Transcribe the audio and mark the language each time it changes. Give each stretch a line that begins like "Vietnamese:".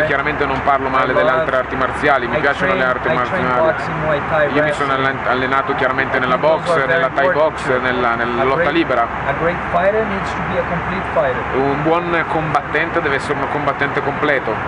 Italian: Io chiaramente non parlo male delle altre arti marziali, piacciono le arti marziali. Io mi sono allenato chiaramente nella box, nella Thai box, nella lotta libera.
English: A great fighter needs to be a complete fighter.
Italian: Un buon combattente deve essere un combattente completo.